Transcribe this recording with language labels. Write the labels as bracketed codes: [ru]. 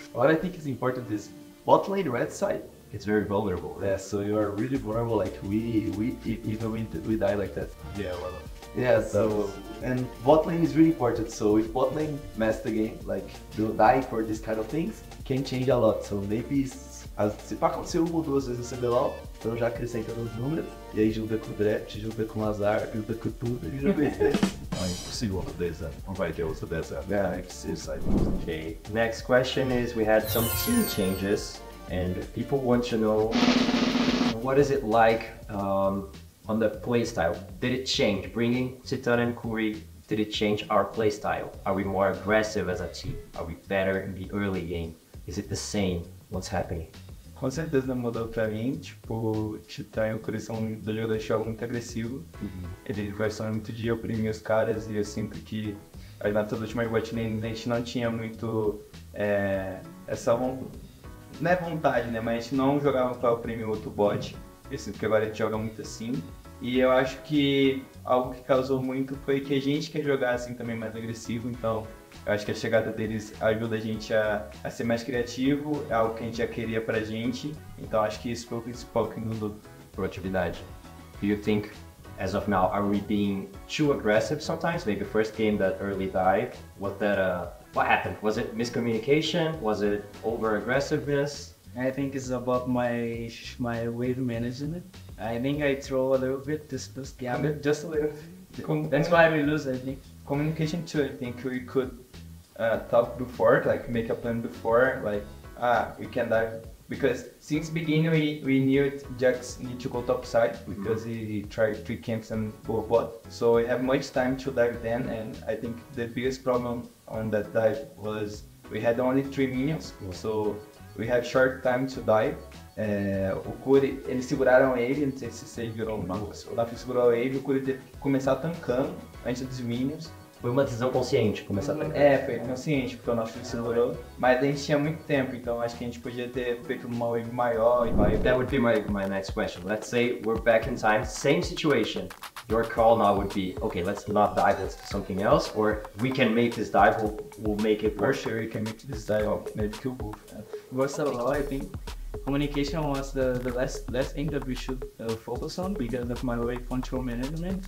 [en] What I think is important is bot lane red side, it's very vulnerable. Yeah, so you are really vulnerable, like we die like that. Yeah, well. Yeah, so and bot lane is really important, so if bot lane mess the game, like do die for these kind of things, can change a lot. So maybe [pt] se acontecer uma ou duas vezes no CBLOL, então já acrescenta os números, e aí junta com o draft, junta com o azar, junta com tudo, e junta com é impossível outro deserto. Não vai ter outro deserto. É, impossível. [en] Ok. Next question is, we had some team changes, and people want to know, what is it like on the playstyle? Did it change? Bringing Titan and Kuri, did it change our playstyle? Are we more aggressive as a team? Are we better in the early game? Is it the same? What's happening? [pt] Com certeza mudou pra mim, tipo, o Titã e o Kuri são dois jogadores de jogo muito agressivos. Uhum. Eles gostam muito de oprimir os caras e eu sinto que na toda última bot lane a gente não tinha muito essa vontade. Não é vontade, né? Mas a gente não jogava pra oprimir outro bot. Eu sinto que agora a gente joga muito assim. E eu acho que algo que causou muito foi que a gente quer jogar assim também mais agressivo, então. Eu acho que a chegada deles ajuda a gente a ser mais criativo, é algo que a gente já queria pra gente. Então acho que isso foi o principal que mudou. Proatividade. [en] Do you think, as of now, are we being too aggressive sometimes? Maybe first game that early died. What happened? Was it miscommunication? Was it over-aggressiveness? I think it's about my wave management. I think I throw a little bit this first game. Just a little bit. That's why we lose, I think. Communication too, I think we could talk before, like make a plan before, like we can dive, because since beginning we knew Jax need to go topside because he tried 3 camps and both bot. So we have much time to dive then, and I think the biggest problem on that dive was we had only 3 minions, so we had short time to dive. [pt] O Kuri, eles seguraram ele, não sei se vocês viram o mapa. O Dafi segurou ele, o Kuri teve que começar tankando antes dos minions. Foi uma decisão consciente começar a tankar. É, foi consciente, porque o nosso time segurou. Mas a gente tinha muito tempo, então acho que a gente podia ter feito uma wave maior. [en] That would be my next question. Let's say we're back in time, same situation. Your call now would be, okay, let's not dive, let's do something else, or we can make this dive, we'll make it work. For sure, we can make this dive, maybe kill both. Works out a lot, I think. Communication was the last thing that we should focus on because of my wave control management.